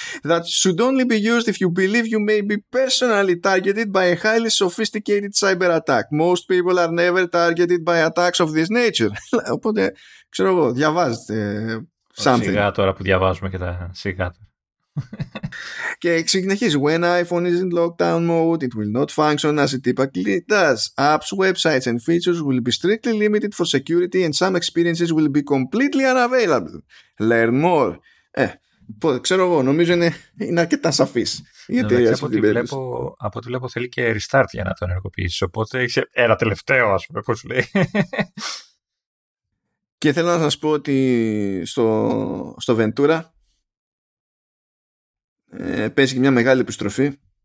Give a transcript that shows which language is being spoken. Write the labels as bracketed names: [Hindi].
[English] That should only be used if you believe you may be personally targeted by a highly sophisticated cyber attack. Most people are never targeted by attacks of this nature. [Greek] Οπότε, ξέρω εγώ, διαβάζετε something. Σιγά τώρα που διαβάζουμε και τα σιγά. Και συνεχίζει. [English] When iPhone is in lockdown mode, it will not function as it typically does. Apps, websites and features will be strictly limited for security and some experiences will be completely unavailable. Learn more. [Greek] Ξέρω εγώ, νομίζω είναι αρκετά σαφής. Γιατί από ό,τι βλέπω θέλει και restart για να το ενεργοποιήσει. Οπότε είσαι ένα τελευταίο, ας πούμε, πώς λέει. Και θέλω να σας πω ότι στο Ventura παίζει και μια μεγάλη επιστροφή.